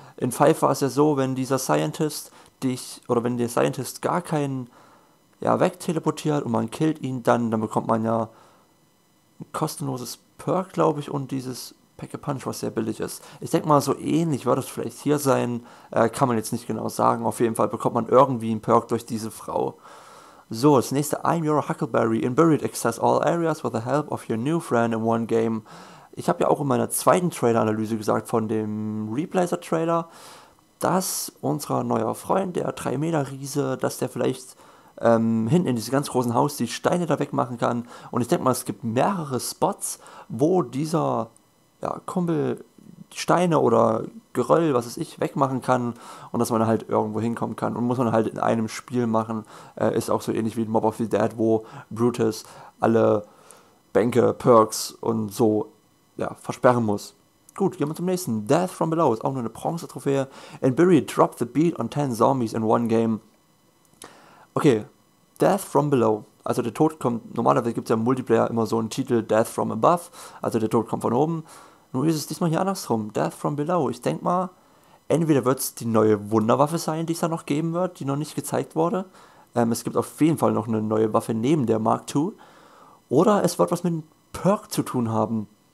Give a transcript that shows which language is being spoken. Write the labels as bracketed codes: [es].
[de] In 5 war es ja so, wenn dieser Scientist dich oder wenn der Scientist gar keinen ja, wegteleportiert und man killt ihn, dann bekommt man ja ein kostenloses Perk, glaube ich, und dieses Pack-a-Punch, was sehr billig ist. Ich denke mal, so ähnlich wird es vielleicht hier sein. Kann man jetzt nicht genau sagen. Auf jeden Fall bekommt man irgendwie einen Perk durch diese Frau. So, das nächste. [en] I'm your Huckleberry. In Buried access all areas with the help of your new friend in one game. [de] Ich habe ja auch in meiner zweiten Trailer-Analyse gesagt, von dem Replacer-Trailer, dass unser neuer Freund, der 3-Meter-Riese, dass der vielleicht hinten in dieses ganz großen Haus die Steine da wegmachen kann. Und ich denke mal, es gibt mehrere Spots, wo dieser ja, Kumpel, Steine oder Geröll, was weiß ich, wegmachen kann und dass man halt irgendwo hinkommen kann. Und muss man halt in einem Spiel machen. Ist auch so ähnlich wie in Mob of the Dead, wo Brutus alle Bänke, Perks und so ja, versperren muss. Gut, gehen wir zum nächsten. Death from Below ist auch nur eine Bronze-Trophäe. [en] In Buried, drop the beat on 10 Zombies in one game. [de] Okay, Death from Below. Also der Tod kommt, normalerweise gibt es ja im Multiplayer immer so einen Titel Death from Above, also der Tod kommt von oben. Nun ist es diesmal hier andersrum, Death from Below. Ich denke mal, entweder wird es die neue Wunderwaffe sein, die es da noch geben wird, die noch nicht gezeigt wurde. Es gibt auf jeden Fall noch eine neue Waffe neben der Mark II. Oder es wird was mit einem Perk zu tun haben.